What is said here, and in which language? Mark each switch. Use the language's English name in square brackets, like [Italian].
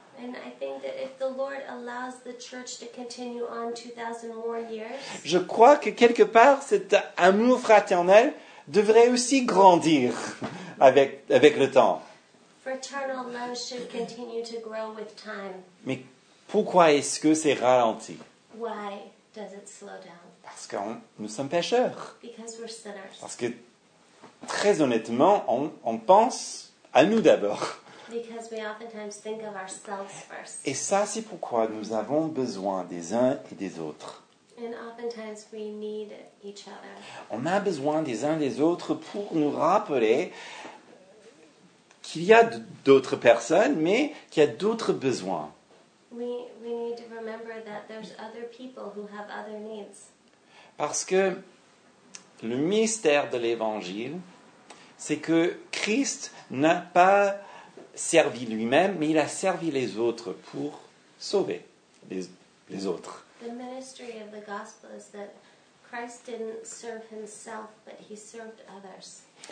[English] and I think that if the Lord allows the church to continue on 2000 more years, [French] je crois que quelque part cet amour fraternel devrait aussi grandir avec le temps. [English] Fraternal love should continue to grow with time. [French] Mais pourquoi est-ce que c'est ralenti? [English] Why does it slow down? [French] Parce que nous sommes pécheurs. [English] Because we're sinners. [French] Parce que, très honnêtement, on pense à nous d'abord. [English] Because we oftentimes think of ourselves first. [French] Et ça, c'est pourquoi nous avons besoin des uns et des autres. [English] And oftentimes we need each other. [French] On a besoin des uns des autres pour nous rappeler qu'il y a d'autres personnes, mais qu'il y a d'autres besoins. [English] We need to remember that there's other people who have other needs. [French] Parce que le mystère de l'Évangile, c'est que Christ n'a pas servi lui-même, mais il a servi les autres pour sauver les autres. [English] The ministry of the gospel is that Christ didn't serve himself, but he served others.